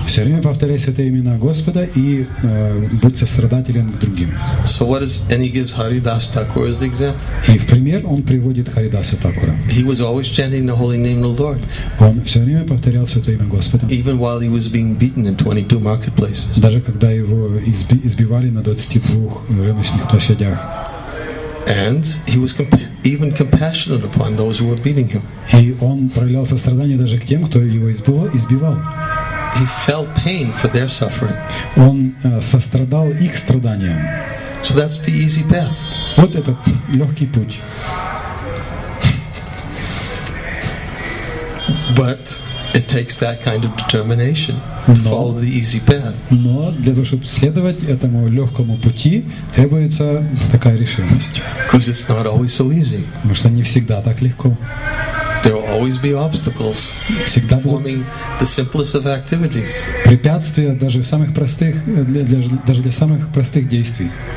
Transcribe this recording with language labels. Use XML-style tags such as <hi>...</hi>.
<ru>Все время повторяй святые имена Господа и будь сострадателен к другим.</ru> <en>So what is, and he gives Haridas Thakur as the example.</en> <ru>И в пример он приводит Харидаса Такура.</ru> <en>He was always chanting the holy name of the Lord.</en> <ru>Он все время повторял святое имя Господа.</ru> <en>Even while he was being beaten in 22 marketplaces.</en> <ru>Даже когда его избивали на 22 рыночных площадях.</ru> <en>And he was even compassionate upon those who were beating him.</en> <ru>И он проявлял сострадание даже к тем, кто его избивал.</ru> <en>He felt pain for their suffering.</en> <ru>Он сострадал их страданиям.</ru> <en>So that's the easy path.</en> <ru>Вот этот легкий путь.</ru> <en>But it takes that kind of determination to follow the easy path.</en> <ru>Но для того, чтобы следовать этому легкому пути, требуется такая решимость.</ru> <en>Because it's not always so easy.</en> <ru>Потому что не всегда так легко.</ru> <en>There will always be obstacles.</en> <ru>Всегда</ru> <en>performing the simplest of activities.</en> <ru>Препятствия даже в самых простых для самых простых действий.</ru>